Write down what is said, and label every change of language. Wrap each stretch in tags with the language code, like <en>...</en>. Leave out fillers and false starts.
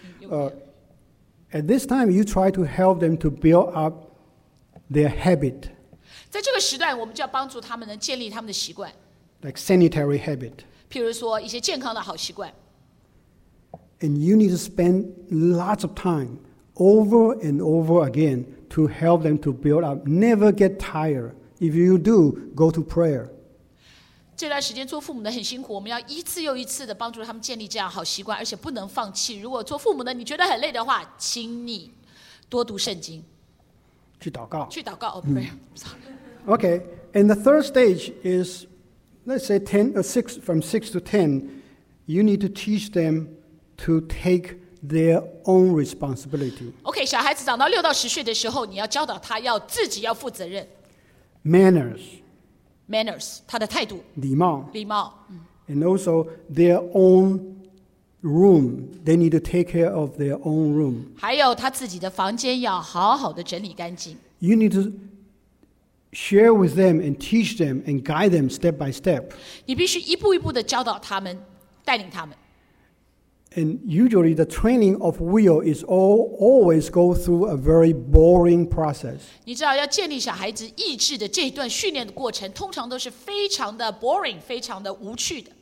<en>At this time, you try to help them to build up their habit.</en> <zh>在这个时段，我们就要帮助他们能建立他们的习惯。</zh> <en>Like sanitary habit.</en> <zh>譬如说一些健康的好习惯。</zh> <en>And you need to spend lots of time over and over again to help them to build up. Never get tired. If you do, go to prayer.</en> <zh>这段时间做父母的很辛苦，我们要一次又一次的帮助他们建立这样好习惯，而且不能放弃。如果做父母的你觉得很累的话，请你多读圣经，去祷告。</zh> <en>Oh, prayer. Okay, and the third stage is, let's say from six to ten, you need to teach them to take their own responsibility.</en> <zh>Okay, 小孩子长到六到十岁的时候，你要教导他要自己要负责任。</zh> <en>Manners,</en> <zh>他的态度，礼貌、嗯、</zh> <en>and also their own room, they need to take care of their own room.</en> <zh>还有他自己的房间要好好的整理干净。</zh> <en>You need to share with them and teach them and guide them step by step.</en> <zh>你必须一步一步的教导他们，带领他们。</zh> <en>And usually the training of will is always go through a very boring process.</en> <zh>你知道要建立小孩子意志的这一段训练的过程，通常都是非常的 boring, 非常的无趣的。</zh>